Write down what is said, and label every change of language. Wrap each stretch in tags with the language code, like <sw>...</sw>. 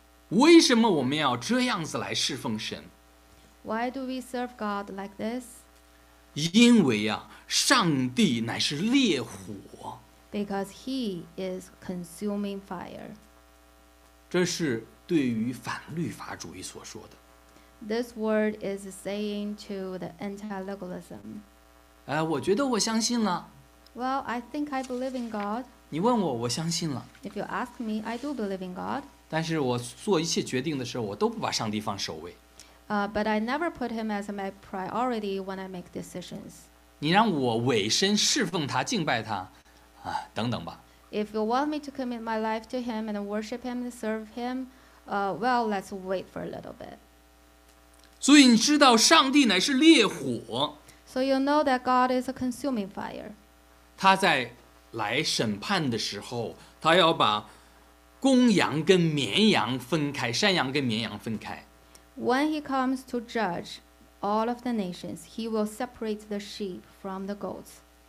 <zh>为什么我们要这样子来侍奉神？</zh> <en>Why do we serve God like this?</en> <zh>因为啊，上帝乃是烈火。</zh> <en>Because he is consuming fire.</en> <zh>这是对于反律法主义所说的。</zh> <en>This word is saying to the anti-legalism.</en> <zh>我觉得我相信了。</zh> <en>Well, I think I believe in God.</en> <zh>你问我，我相信了。</zh> <en>If you ask me, I do believe in God.</en> <zh>但是我做一切决定的时候，我都不把上帝放首位。</zh> <en>But I never put him as my priority when I make decisions.</en> <zh>你让我委身侍奉他，敬拜他，啊，等等吧。</zh> <en>If you want me to commit my life to him and worship him and serve him, well, let's wait for a little bit.</en> <zh>所以你知道上帝乃是烈火。</zh> <en>So you know that God is a consuming fire.</en> <zh>他在来审判的时候，他要把公羊跟绵羊分开，山羊跟绵羊分开。</zh> <en>When he comes to judge all of the nations, he will separate the sheep from the goats.</en>